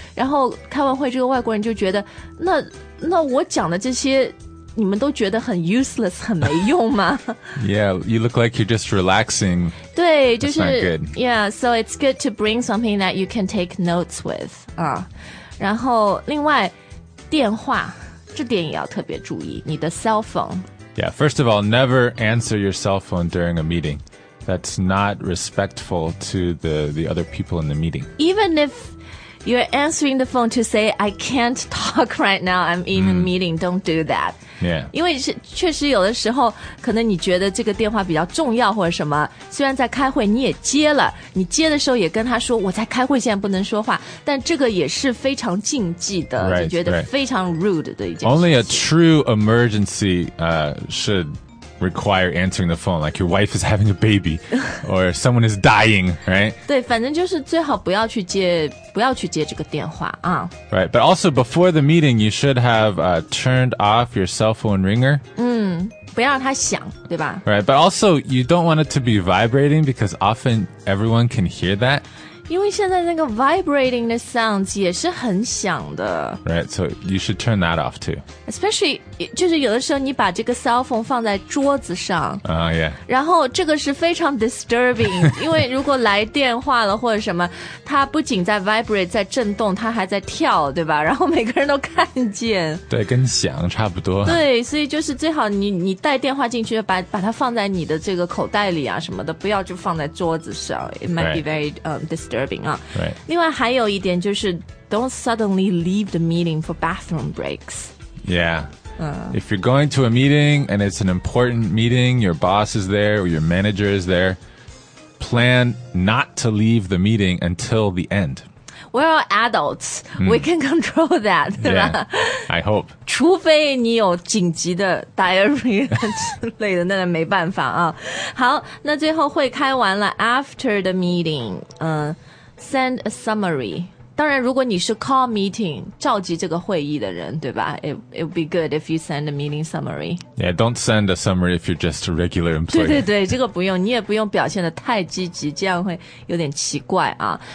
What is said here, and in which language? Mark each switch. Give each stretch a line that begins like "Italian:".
Chinese: 然后开完会这个外国人就觉得那我讲的这些你们都觉得很 useless, 很没用吗?
English: Yeah, you look like you're just relaxing.
Chinese: 对，就是
English: That's not good. Yeah, so it's good to bring something that you can take notes with.
Chinese: 然后另外电话，这点也要特别注意，你的 cell phone.
English: Yeah, first of all, never answer your cell phone during a meeting. That's not respectful to the other people in the meeting. Even if you're answering the phone to say, I can't talk right now, I'm in a meeting, don't do that. Yeah.
Chinese: 因为确实有的时候可能你觉得这个电话比较重要或者什么，虽然在开会你也接了，你接的时候也跟他说我在开会，现在不能说话，但这个也是非常禁忌的，
English: right,
Chinese: 就觉得非常 rude 的一件事情。
English: Only a true emergency should require answering the phone, like your wife is having a baby or someone is dying, right?
Chinese: 对，反正就是最好不要去接，不要去接这个电话啊。
English: Right, but also before the meeting, you should have turned off your cell phone ringer.
Chinese: 不要让它响，对吧？
English: Right, but also you don't want it to be vibrating because often everyone can hear that.
Chinese: 因为现在那个 vibrating 的 sounds 也是很响的。
English: Right, so you should turn that off too.
Chinese: Especially, 就是有的时候你把这个 cell phone 放在桌子上。
English: Yeah.
Chinese: 然后这个是非常 disturbing, 因为如果来电话了或者什么，它不仅在 vibrate, 在震动，它还在跳，对吧？然后每个人都看见。对，跟响差不多。对，所以就是最好你带电话进去，把它放在你的这个口袋里啊什么的，不要就放在桌子上。
English: It might be very disturbing, huh? Right.
Chinese: 另外还有一点就是
English: don't suddenly leave the meeting for bathroom breaks. Yeah. If you're going to a meeting and it's an important meeting, your boss is there or your manager is there, plan not to leave the meeting until the end. We're all adults. We can control that. Yeah. I hope.
Chinese: 除非你有紧急的 diarrhea 之类的，那没办法啊。好，那最后会开完了
English: after the meeting, send a summary.
Chinese: 当然如果你是 call meeting, 召集这个会议的人，对吧？
English: It would be good if you send a meeting summary. Yeah, don't send a summary if you're just a regular employee.
Chinese: 对对对，这个不用，你也不用表现得太积极，这样会有点奇怪啊。